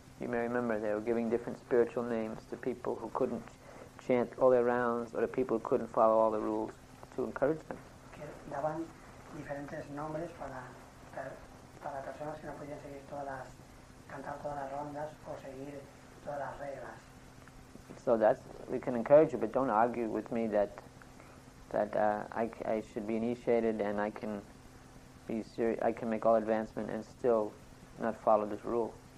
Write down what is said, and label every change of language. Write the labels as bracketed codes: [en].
[en] You may remember they were giving different spiritual names to people who couldn't chant all their rounds or to people who couldn't follow all the rules to encourage them. [es] Que daban diferentes nombres para personas que no podían seguir todas las, cantar todas las rondas o seguir todas las reglas. [en] So that's, we can encourage you, but don't argue with me that I should be initiated and I can be serious, I can make all advancement and still not follow this rule.